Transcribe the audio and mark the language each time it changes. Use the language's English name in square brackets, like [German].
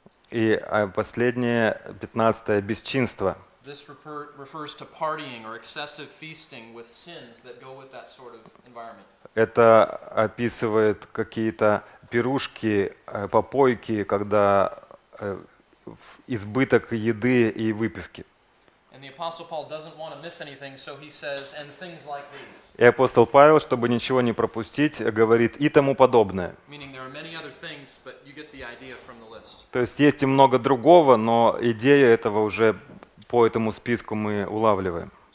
[Russian] И последнее, 15-е, — бесчинство. [English] This refers to partying or excessive feasting with sins that go with that sort of environment. [Russian] Это описывает какие-то пирушки, попойки, когда избыток еды и выпивки. [English] And the apostle Paul doesn't want to miss anything, so he says, and things like these. [Russian] И апостол Павел, чтобы ничего не пропустить, говорит и тому подобное. [English] Meaning there are many other things, but you get the idea from the list. [Russian] То есть есть и много другого, но идея этого уже по этому списку мы улавливаем.